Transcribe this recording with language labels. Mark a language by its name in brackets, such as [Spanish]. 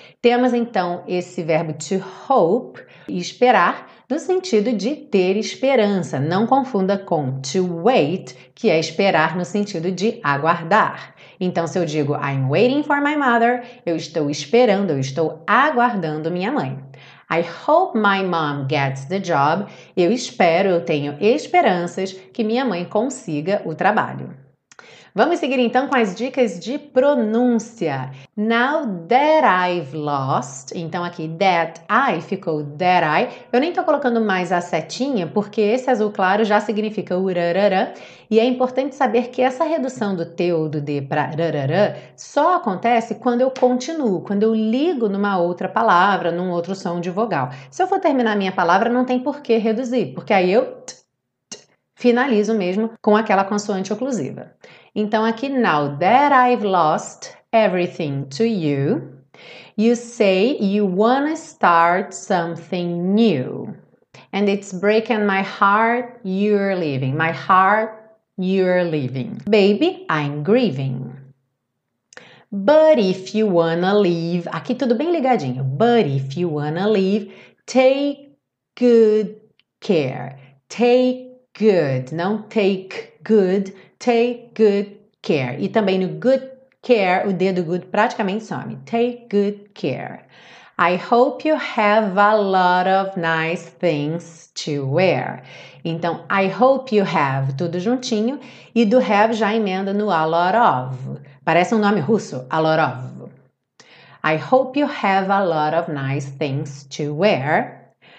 [Portuguese] Temos então esse verbo to hope, esperar, no sentido de ter esperança. Não confunda com to wait, que é esperar no sentido de aguardar. Então, se eu digo [English] I'm waiting for my mother, [Portuguese] eu estou esperando, eu estou aguardando minha mãe. [English] I hope my mom gets the job. [Portuguese] Eu espero, eu tenho esperanças que minha mãe consiga o trabalho. Vamos seguir então com as dicas de pronúncia. [English] Now that I've lost, [Portuguese] então aqui [English] that I [Portuguese] ficou [English] that I. [Portuguese] Eu nem estou colocando mais a setinha, porque esse azul claro já significa urarara. E é importante saber que essa redução do T ou do D para rarara só acontece quando eu continuo, quando eu ligo numa outra palavra, num outro som de vogal. Se eu for terminar minha palavra, não tem por que reduzir, porque aí eu finalizo mesmo com aquela consoante oclusiva. Então aqui, [English] now that I've lost everything to you, you say you wanna start something new. And it's breaking my heart, you're leaving. My heart, you're leaving. Baby, I'm grieving. But if you wanna leave, [Portuguese] aqui tudo bem ligadinho. [English] But if you wanna leave, take good care. Take good, não take good, take good care. [Portuguese] E também no [English] good care, [Portuguese] o dedo good praticamente some. [English] Take good care. I hope you have a lot of nice things to wear. [Portuguese] Então, [English] I hope you have, [Portuguese] tudo juntinho. E do have já emenda no [English] a lot of. [Portuguese] Parece um nome russo, [English] a lot of. I hope you have a lot of nice things to wear.